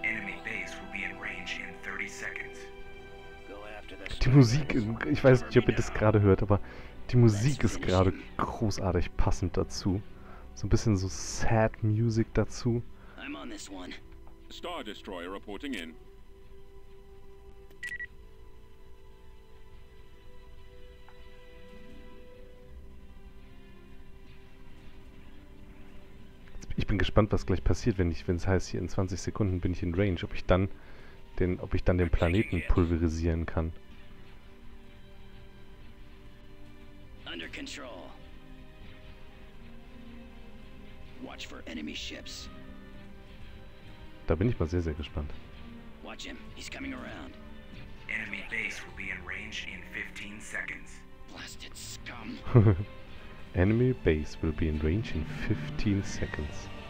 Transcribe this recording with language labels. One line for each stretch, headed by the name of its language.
English: Enemy base will be in range in 30 seconds.
German: Die Musik, ich weiß nicht, ob ihr das gerade hört, aber die Musik ist gerade großartig passend dazu. So ein bisschen so Sad Music dazu.
English: I'm on this one. Star Destroyer reporting in.
German: Ich bin gespannt, was gleich passiert, wenn es heißt, hier in 20 Sekunden bin ich in Range, ob ich dann den Planeten pulverisieren kann.
English: Under control. Watch for enemy ships.
German: Da bin ich mal sehr, sehr gespannt.
English: Watch him. He's coming around. Enemy base will be in range in 15 seconds. Blasted scum. Enemy base will be in range in 15 seconds.